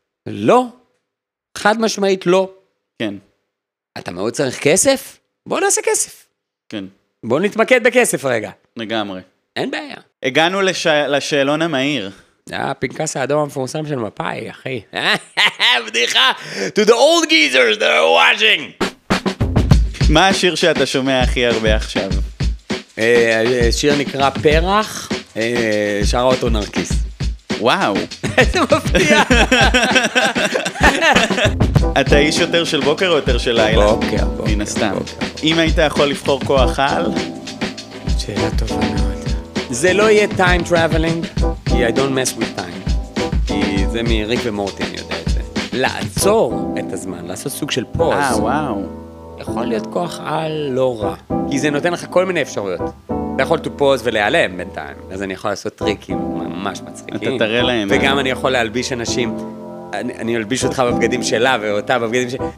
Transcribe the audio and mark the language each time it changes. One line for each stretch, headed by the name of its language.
Hebrew: לא, חד משמעית לא. כן. אתה מאוד צריך כסף? בוא נעשה כסף. כן. בוא נתמקד בכסף רגע. לגמרי. אין בעיה. הגענו לשאלון המהיר. פנקס האדום המפורסם של מפאי, אחי. בדיחה.
English: To the old geezers that are watching.
Hebrew: מה השיר שאתה שומע הכי הרבה עכשיו? שיר נקרא פרח, שרה אותו נרקיס. וואו. איזה מפתיע. אתה איש יותר של בוקר או יותר של לילה? בוקר, בוקר. מן הסתם. אם היית יכול לבחור כוח על? שאלה טובה מאוד. זה לא יהיה
English: time traveling,
Hebrew: כי
English: I don't mess with time.
Hebrew: כי זה מריק ומורטי, אני יודע את זה. לעצור את הזמן, לעשות סוג של פוס. וואו. יכול להיות כוח על לא רע. כי זה נותן לך כל מיני אפשרויות. אתה יכול
English: to pause
Hebrew: ולהיעלם בינתיים. אז אני יכול לעשות טריקים ממש מצחיקים. אתה תראה להם. וגם אני יכול להלביש אנשים. אני אלביש אותך בבגדים שלה ואותה בבגדים שלה.